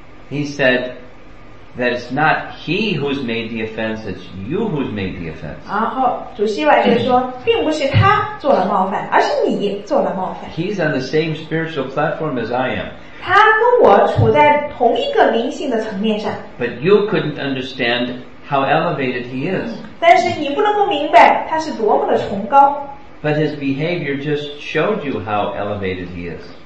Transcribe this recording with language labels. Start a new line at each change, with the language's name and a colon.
English: He said that it's not he who's made the offense, it's you who's made the offense.
Chinese: 然后主希瓦就说，并不是他做了冒犯，而是你做了冒犯。
English: He's on the same spiritual platform as I am.
Chinese: 他跟我处在同一个灵性的层面上。
English: But you couldn't understand how elevated he is.
Chinese: 但是你不能够明白他是多么的崇高。
English: But his behavior just showed you how elevated he is.